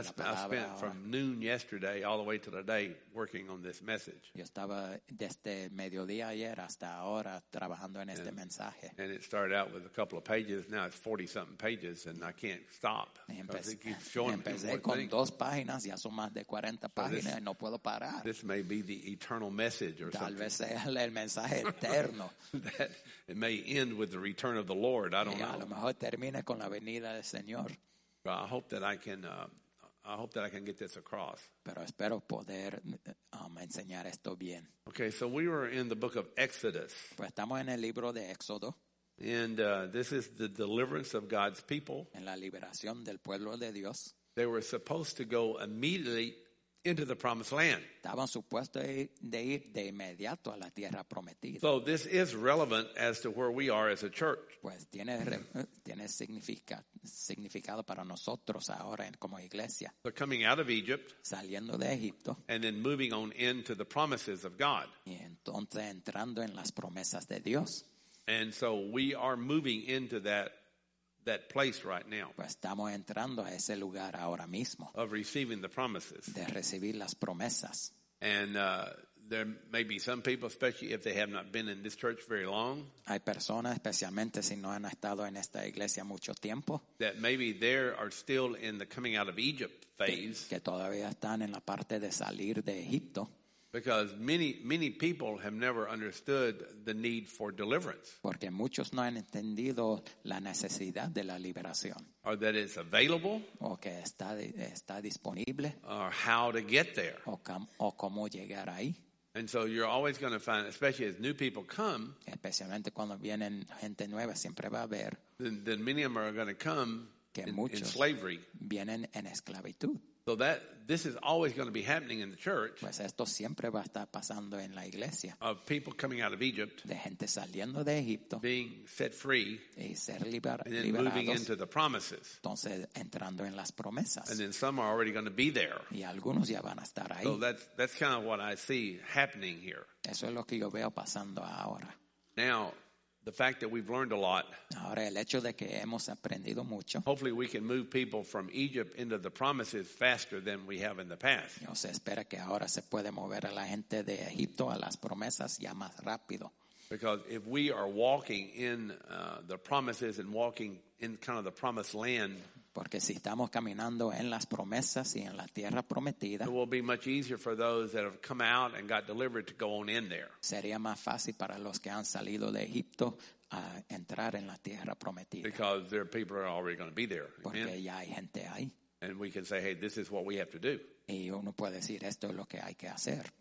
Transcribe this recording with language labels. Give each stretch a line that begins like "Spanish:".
English: I spent from noon yesterday all the way to today working on this message.
Spanish: Yo estaba desde mediodía ayer hasta ahora trabajando en este mensaje.
English: And it started out with a couple of pages. Now it's 40-something pages and I can't stop.
Spanish: Empecé con dos páginas, ya son más de 40 páginas y no puedo parar.
English: This may be the eternal message or
Spanish: tal
English: something.
Spanish: Tal vez sea el mensaje eterno.
English: That it may end with the return of the Lord. I don't
Spanish: y a
English: know.
Spanish: Lo mejor termine con la venida del Señor.
English: But I hope that I hope that I can get this across.
Spanish: Pero espero poder enseñar esto bien.
English: Okay, so we were in the book of Exodus.
Spanish: Pues estamos en el libro de Éxodo.
English: And this is the deliverance of God's people.
Spanish: En la liberación del pueblo de Dios.
English: They were supposed to go immediately into the promised land.
Spanish: Estaban supuestos de ir de inmediato a la tierra prometida.
English: So this is relevant as to where we are as a church.
Spanish: Pues tiene significado para nosotros ahora como iglesia.
English: So coming out of Egypt.
Spanish: Saliendo de Egipto.
English: And then moving on into the promises of God.
Spanish: Y entonces entrando en las promesas de Dios.
English: And so we are moving into that place right now.
Spanish: Pues estamos entrando a ese lugar ahora mismo.
English: Of receiving the promises.
Spanish: De recibir las promesas.
English: And there may be some people, especially if they have not been in this church very long.
Spanish: Hay personas, especialmente si no han estado en esta iglesia mucho tiempo.
English: That maybe they are still in the coming out of Egypt phase.
Spanish: Que todavía están en la parte de salir de Egipto.
English: Because many, many people have never understood the need for deliverance.
Spanish: Porque muchos no han entendido la necesidad de la liberación.
English: Or that it's available.
Spanish: O que está disponible.
English: Or how to get there.
Spanish: O cómo llegar ahí.
English: And so you're always going to find, especially as new people come.
Spanish: Especialmente cuando vienen gente nueva, siempre va a haber.
English: Then many of them are going to come in slavery.
Spanish: Vienen en esclavitud.
English: So that this is always going to be happening in the church.
Spanish: Pues esto siempre va a estar pasando en la iglesia.
English: Of people coming out of Egypt.
Spanish: De gente saliendo de Egipto.
English: Being set free.
Spanish: Y ser liberados.
English: And then moving into the promises.
Spanish: Entonces entrando en las promesas.
English: And then some are already going to be there.
Spanish: Y algunos ya van a estar ahí.
English: So that's kind of what I see happening here.
Spanish: Eso es lo que yo veo pasando ahora.
English: Now, the fact that we've learned a lot.
Spanish: Ahora, el hecho de que hemos aprendido mucho,
English: hopefully we can move people from Egypt into the promises faster than we have in the past.
Spanish: No se espera que ahora se puede mover a la gente de Egipto a las promesas ya más rápido.
English: Because if we are walking in the promises and walking in kind of the promised land,
Spanish: porque si estamos caminando en las promesas y en la tierra prometida,
English: it will be much easier for those that have come out and got delivered to go on in there.
Spanish: Sería más fácil para los que han salido de Egipto a entrar en la tierra prometida.
English: Because their people are already going to be there.
Spanish: Porque ya hay gente ahí.
English: And we can say, hey, this is what we have to do.
Spanish: Y uno puede decir, esto es lo que hay que hacer.